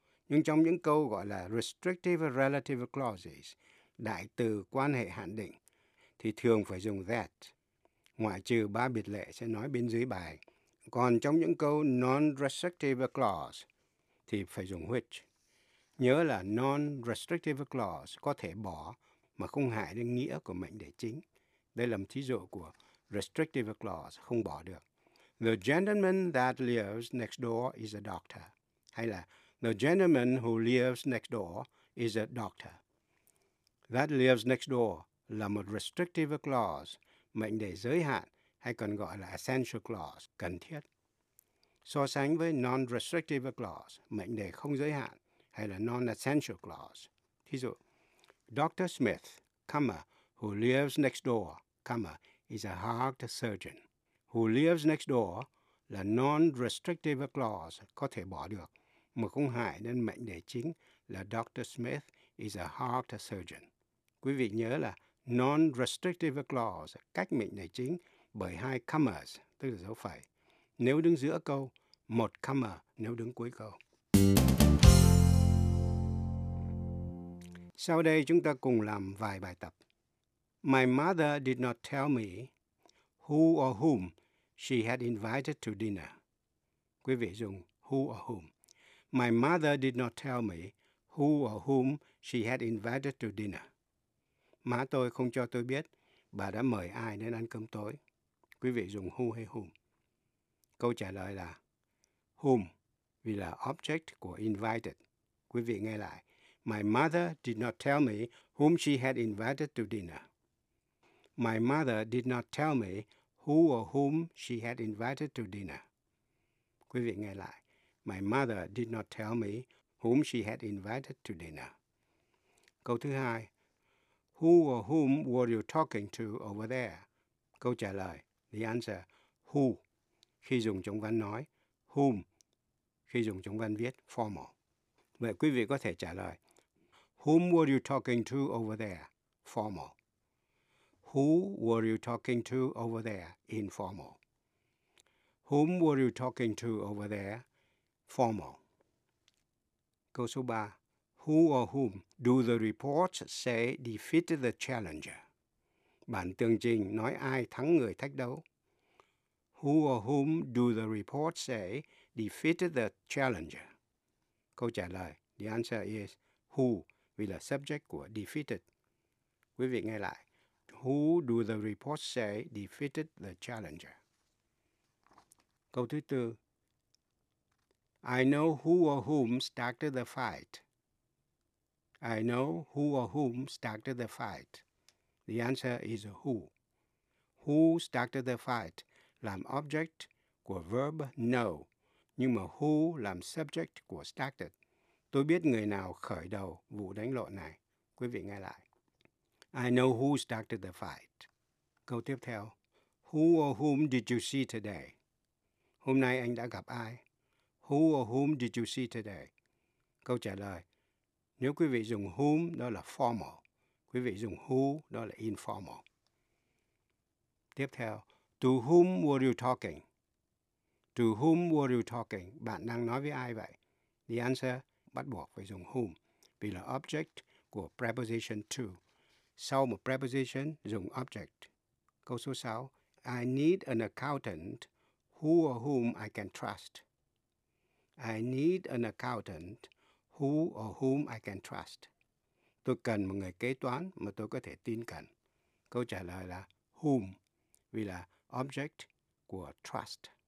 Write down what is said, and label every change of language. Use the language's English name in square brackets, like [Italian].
[Vietnamese] Nhưng trong những câu gọi là restrictive relative clauses, đại từ quan hệ hạn định, thì thường phải dùng that, ngoại trừ ba biệt lệ sẽ nói bên dưới bài. Còn trong những câu non-restrictive clause thì phải dùng which. Nhớ là non-restrictive clause có thể bỏ mà không hại đến nghĩa của mệnh đề chính. Đây là một thí dụ của restrictive clause không bỏ được. [English] The gentleman that lives next door is a doctor. Hay là the gentleman who lives next door is a doctor. [Vietnamese] That lives next door là một restrictive clause, mệnh đề giới hạn, hay còn gọi là essential clause, cần thiết. So sánh với non-restrictive clause, mệnh đề không giới hạn, hay là non-essential clause. Thí dụ, [English] Dr. Smith, comma, who lives next door, comma, is a heart surgeon. Who lives next door [Vietnamese] là non-restrictive clause, có thể bỏ được, mà không hại đến mệnh đề chính là Dr. [English] Smith is a heart surgeon. [Vietnamese] Quý vị nhớ là non-restrictive clause, cách mệnh đề chính, bởi hai commas, tức là dấu phẩy, nếu đứng giữa câu, một comma nếu đứng cuối câu. Sau đây chúng ta cùng làm vài bài tập. [English] My mother did not tell me who or whom she had invited to dinner. [Vietnamese] Quý vị dùng [English] who or whom. My mother did not tell me who or whom she had invited to dinner. [Vietnamese] Má tôi không cho tôi biết bà đã mời ai đến ăn cơm tối. Quý vị dùng who hay whom? Câu trả lời là whom, vì là object của invited. Quý vị nghe lại. [English] My mother did not tell me whom she had invited to dinner. My mother did not tell me who or whom she had invited to dinner. [Vietnamese] Quý vị nghe lại. [English] My mother did not tell me whom she had invited to dinner. [Vietnamese] Câu thứ hai. [English] Who or whom were you talking to over there? [Vietnamese] Câu trả lời. [English] The answer, [Vietnamese] who, khi dùng trong văn nói, whom, khi dùng trong văn viết, formal. Vậy quý vị có thể trả lời, [English] whom were you talking to over there, formal. Who were you talking to over there, informal. Whom were you talking to over there, formal. [Vietnamese] Câu số 3, [English] who or whom do the reports say defeated the challenger? [Vietnamese] Bản tường trình nói ai thắng người thách đấu. [English] Who or whom do the report say defeated the challenger? [Vietnamese] Câu trả lời, [English] the answer is who, [Vietnamese] vì là subject của defeated. Quý vị nghe lại. [English] Who do the report say defeated the challenger? [Vietnamese] Câu thứ tư. [English] I know who or whom started the fight. I know who or whom started the fight. The answer is who. Who started the fight? [Vietnamese] Làm object của verb know, nhưng mà who làm subject của started. Tôi biết người nào khởi đầu vụ đánh lộn này. Quý vị nghe lại. [English] I know who started the fight. [Vietnamese] Câu tiếp theo. [English] Who or whom did you see today? [Vietnamese] Hôm nay anh đã gặp ai? [English] Who or whom did you see today? [Vietnamese] Câu trả lời. Nếu quý vị dùng whom, đó là formal. Quý vị dùng who, đó là informal. Tiếp theo. [English] To whom were you talking? To whom were you talking? [Vietnamese] Bạn đang nói với ai vậy? [English] The answer [Vietnamese] bắt buộc phải dùng whom, vì là object của preposition to. Sau một preposition, dùng object. Câu số 6. [English] I need an accountant who or whom I can trust. I need an accountant who or whom I can trust. [Vietnamese] Tôi cần một người kế toán mà tôi có thể tin cậy. Câu trả lời là whom, vì là object của trust.